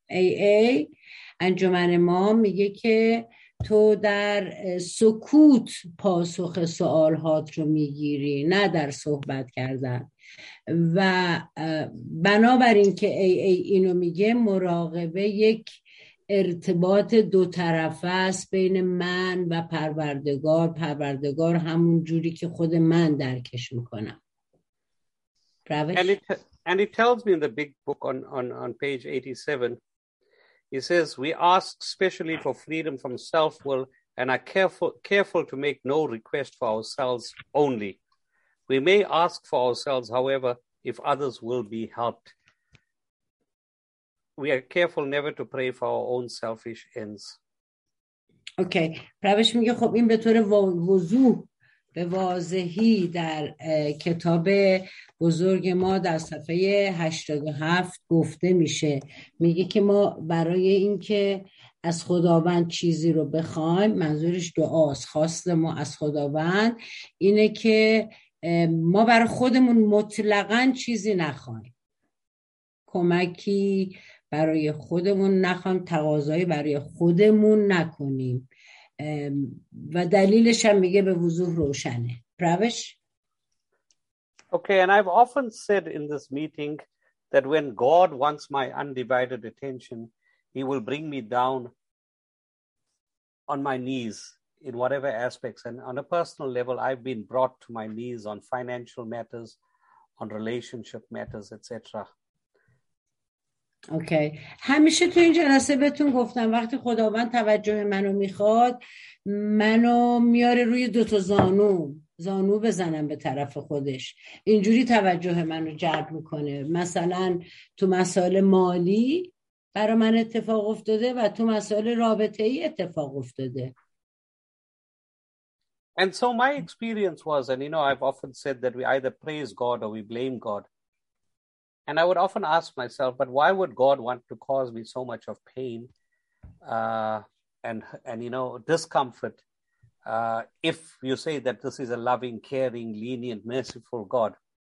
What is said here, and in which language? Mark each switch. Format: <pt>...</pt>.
<fa>AA انجمن ما میگه که تو در سکوت پاسخ سوالات رو میگیری نه در صحبت کردن، و بنابراین که AA اینو میگه، مراقبه یک ارتباط دو طرفه است بین من و پروردگار، پروردگار همون جوری که خود من درکش میکنم.</fa> <en>And it tells me in the big book on page 87, he says, we ask specially for freedom from self-will and are careful to make no request for ourselves only. We may ask for ourselves, however, if others will be helped. We are careful never to pray for our own selfish ends. Okay.</en> <fa>پروش میگه خب این به طور وضوح به واضحی در کتاب بزرگ ما در صفحه 87 گفته میشه. میگه که ما برای اینکه از خداوند چیزی رو بخوایم، منظورش دعاست، خواست ما از خداوند اینه که ما برای خودمون مطلقاً چیزی نخوایم، کمکی برای خودمون نخوایم، تقاضایی برای خودمون نکنیم، و دلیلش هم میگه به وضوح روشنه. پروش؟</fa> <en>Okay, and I've often said in this meeting that when God wants my undivided attention, he will bring me down on my knees in whatever aspects. And on a personal level, I've been brought to my knees on financial matters, on relationship matters, etc.</en> <fa>اوکی. همیشه تو این جلسه بهتون گفتم وقتی خداوند توجه منو میخواد، منو میاره روی دوتا زانو بزنم به طرف خودش، اینجوری توجه منو جلب میکنه. مثلا تو مسائل مالی برای من اتفاق افتاده و تو مسائل رابطه ای اتفاق افتاده.</fa> <en>And so my experience was, and you know, I've often said that we either praise God or we blame God. And I would often ask myself, but why would God want to cause me so much of pain and you know, discomfort if you say that this is a loving, caring, lenient, merciful God?</en>